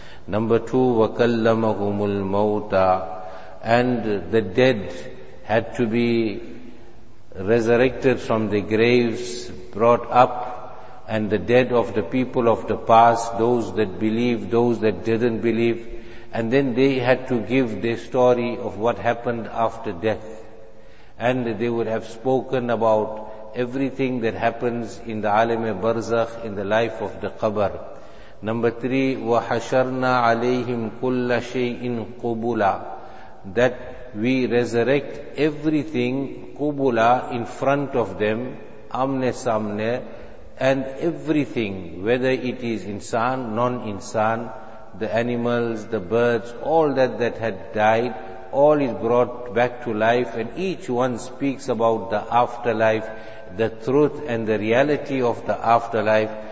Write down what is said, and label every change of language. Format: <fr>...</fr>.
<en>Number two,</en> <ar>وَكَلَّمَهُمُ الْمَوْتَى.</ar> <en>And the dead had to be resurrected from the graves, brought up, and the dead of the people of the past, those that believed, those that didn't believe, and then they had to give their story of what happened after death. And they would have spoken about everything that happens in the alame barzakh, in the life of the qabr. Number three,</en> <ar>وَحَشَرْنَا عَلَيْهِمْ كُلَّ شَيْءٍ قُبُلًا.</ar> <en>That we resurrect everything, قُبُلًا, in front of them, أَمْنَ سَمْنَ, and everything, whether it is insan, non-insan, the animals, the birds, all that had died, all is brought back to life, and each one speaks about the afterlife, the truth and the reality of the afterlife.</en>